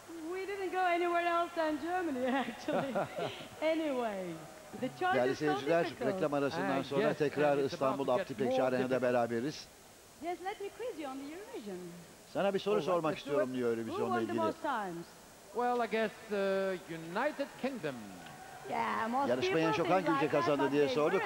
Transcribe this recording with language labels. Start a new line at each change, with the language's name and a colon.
English: We didn't go anywhere else than Germany actually. Anyway.
Turkish: Değerli seyirciler, reklam arasından sonra tekrar İstanbul Aptipekçi Arena'da beraberiz.
English: Yes, let me quiz you on the Eurovision.
Turkish: Sana bir soru sormak istiyorum diyor Eurovision'la ilgili.
English: Well, I guess the United Kingdom. Yeah, most.
Turkish: Yarışmayı en çok hangi ülke kazandı diye sorduk.